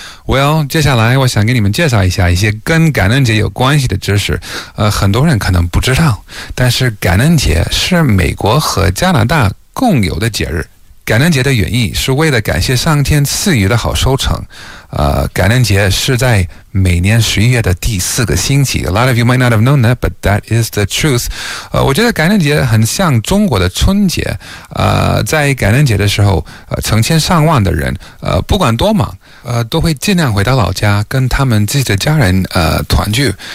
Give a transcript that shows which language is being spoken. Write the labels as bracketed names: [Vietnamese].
[Chinese] Well, 接下来我想给你们介绍一下一些跟感恩节有关系的知识。很多人可能不知道，但是感恩节是美国和加拿大共有的节日。感恩节的原意是为了感谢上天赐予的好收成。感恩节是在每年十一月的第四个星期。 [English] A lot of you might not have known that, but that is the truth. [Chinese] 我觉得感恩节很像中国的春节。在感恩节的时候，成千上万的人，不管多忙，都会尽量回到老家跟他们自己的家人团聚。